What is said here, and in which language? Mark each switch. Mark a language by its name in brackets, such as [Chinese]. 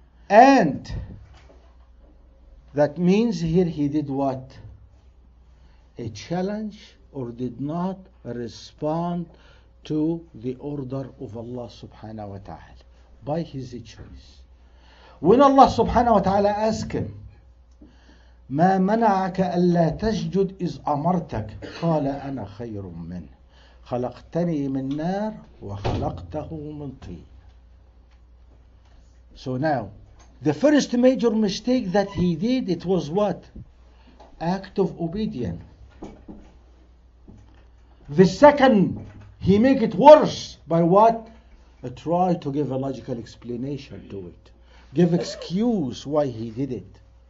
[English] And that means here he did what? A challenge, or did not respond to the order of Allah subhanahu wa ta'ala by his choice. When Allah subhanahu wa ta'ala asked him, [Arabic] ما منعك ألا تسجد إذ أمرتك؟ قال أنا خير منه، خلقتني من نار وخلقته من طين. [English] So now, the first major mistake that he did, it was what? Act of obedience. The second, he make it worse by what? I try to give a logical explanation to it. Give excuse why he did it.